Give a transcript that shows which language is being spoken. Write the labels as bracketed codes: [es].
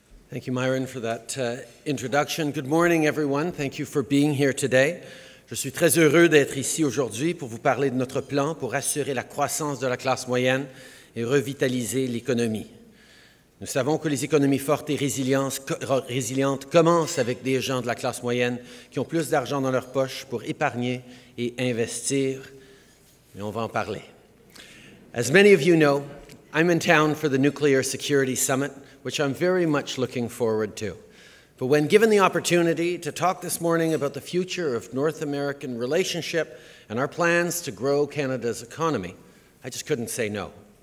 [en] Thank you, Myron, for that introduction. Good morning, everyone. Thank you for being here today. [fr] Je suis très heureux d'être ici aujourd'hui pour vous parler de notre plan pour assurer la croissance de la classe moyenne et revitaliser l'économie. Nous savons que les économies fortes et résilientes commencent avec des gens de la classe moyenne qui ont plus d'argent dans leur poche pour épargner et investir. Et on va en parler. [en] As many of you know, I'm in town for the Nuclear Security Summit, which I'm very much looking forward to. But when given the opportunity to talk this morning about the future of North American relationship and our plans to grow Canada's economy, I just couldn't say no.